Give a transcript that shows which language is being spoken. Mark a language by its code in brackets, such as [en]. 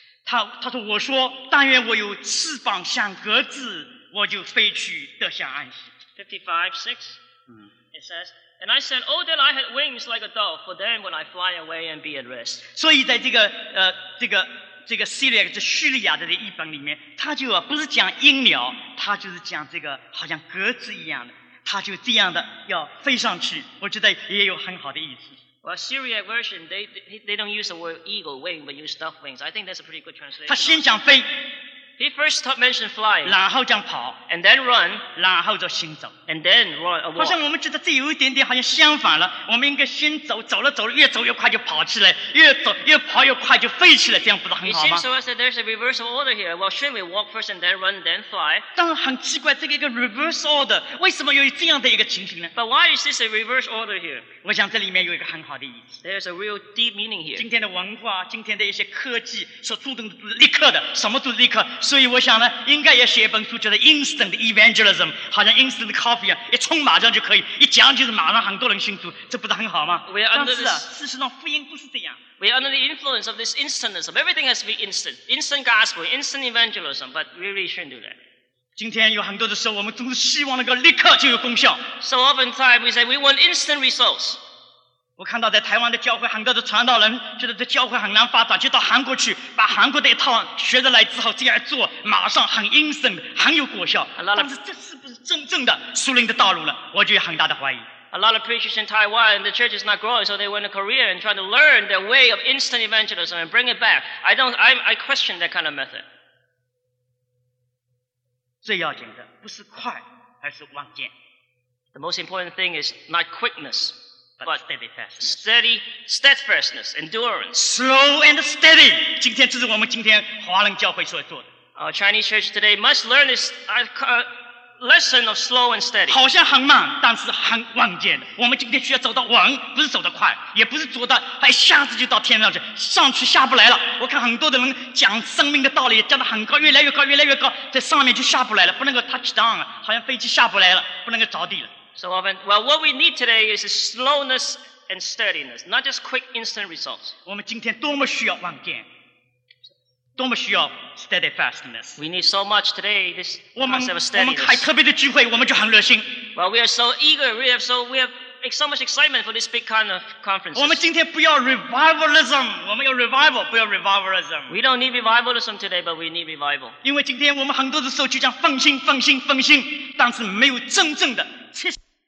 [zh] 他说，我说，但愿我有翅膀像鸽子，我就飞去得享安息。 [en] 55:6, it says, "And I said, Oh, that I had wings like a dove, for then would I fly away and be at rest." [zh] 所以在这个 Syriac 这叙利亚的这译本里面，他就不是讲鹰鸟，他就是讲这个好像鸽子一样的，他就这样的要飞上去，我觉得也有很好的意思。 [en] Well, Syriac version, they don't use the word eagle wing, but use dove wings. I think that's a pretty good translation. [zh] 他先讲飞。 [en] He first mentioned flying, [zh] 然后讲跑 [en] and then run, [zh] 然后就行走 [en] and then run, walk. [zh] 好像我们觉得这有一点点好像相反了，我们应该先走，走了走了，越走越快就跑起来，越走越跑越快就飞起来，这样不是很好吗？ [en] It seems so as that there's a reverse order here. Well, shouldn't we walk first and then run, then fly? [zh] 但很奇怪，这个一个 [en] reverse order, [zh] 为什么有这样的一个情形呢？ [en] But why is this a reverse order here? [zh] 我想这里面有一个很好的意思。 [en] There's a real deep meaning here. [zh] 今天的文化，今天的一些科技所注重立刻的，什么都立刻。所以我想呢，应该也写一本书，叫做 [en] Instant Evangelism， [zh] 好像 [en] Instant Coffee [zh] 啊，一冲马上就可以，一讲就是马上很多人信主，这不是很好吗？但是啊，事实上福音不是这样。 [en] We are under the influence of this instantism. Everything has to be instant. Instant gospel, instant evangelism, but we really shouldn't do that. [zh] 今天有很多的时候，我们总是希望能够立刻就有功效。 [en] So often times we say we want instant results. [zh] 我看到在台湾的教会，很多的传道人觉得这教会很难发展，就到韩国去，把韩国的一套学着来之后这样做，马上很 instant， 很有果效。但是这是不是真正的属灵的道路呢？我就有很大的怀疑。 [en] A lot of preachers in Taiwan, the church is not growing, so they went to Korea and trying to learn their way of instant evangelism and bring it back. I question that kind of method. [zh] 最要紧的不是快，而是稳健。 [en] The most important thing is not quickness. But steadfastness, endurance. Slow and steady. [zh] 今天这是我们今天华人教会所做的。 [en] Our Chinese church today must learn this lesson of slow and steady. [zh] 好像很慢，但是很稳健的。我们今天需要走到稳，不是走得快，也不是走到一下子就到天上去，上去下不来了。我看很多的人讲生命的道理，讲得很高，越来越高，越来越高，在上面就下不来了，不能够 [en] touch down [zh] 了，好像飞机下不来了，不能够着地了。 [en] So often, well, what we need today is a slowness and steadiness, not just quick instant results. [zh] 我们今天多么需要稳健，多么需要 steadfastness. [en] We need so much today, this concept of steadiness. [zh] 我们开特别的聚会，我们就很热心。 [en] Well, we are so eager, we have so much excitement for this big kind of conference. [zh] 我们今天不要 revivalism, 我们要 revival, 不要 revivalism. [en] We don't need revivalism today, but we need revival. [zh] 因为今天我们很多的时候就讲奉新，奉新，奉新，但是没有真正的。Sister.